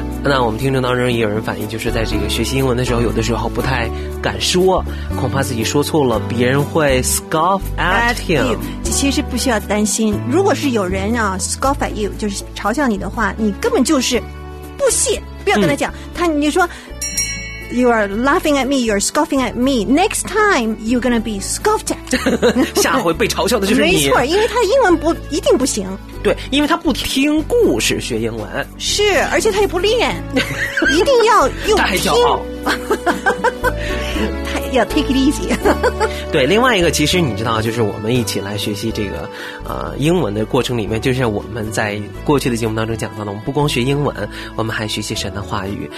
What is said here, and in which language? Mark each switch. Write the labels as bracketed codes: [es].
[zh] 那我们听众当中也有人反映，就是在这个学习英文的时候，有的时候不太敢说，恐怕自己说错了别人会 [en] scoff at him。 [zh] 其实不需要担心，如果是有人啊 [en] scoff at you [zh] 就是嘲笑你的话，你根本就是不屑，不要跟他讲。他你说 [en] You are laughing at me, you are scoffing at me. Next time you're gonna be scoffed at. [zh] 下回被嘲笑的就是你。没错，因为他英文不一定不行。对，因为他不听故事学英文。是，而且他也不练，一定要用听。他还骄傲。要 [en] take it easy。 [zh] 对，另外一个其实你知道，就是我们一起来学习这个英文的过程里面，就是我们在过去的节目当中讲到的，我们不光学英文，我们还学习神的话语。